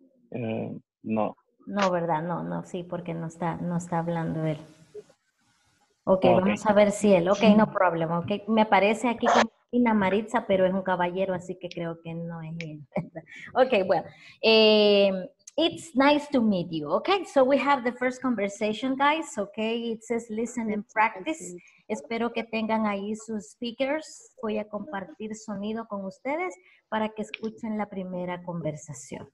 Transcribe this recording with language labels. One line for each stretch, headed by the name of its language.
Spanish: No. No, ¿verdad? No, sí, porque no está hablando él. Okay, vamos a ver si él.
English: Okay, no problem.
Spanish: Okay, me aparece aquí con Dina Maritza, pero es un caballero, así que creo que no es él.
English: Okay, well, it's nice to meet you. Okay, so we have the first conversation, guys. Okay, it says listen and practice.
Spanish: Espero que tengan ahí sus speakers. Voy a compartir sonido con ustedes para que escuchen la primera conversación.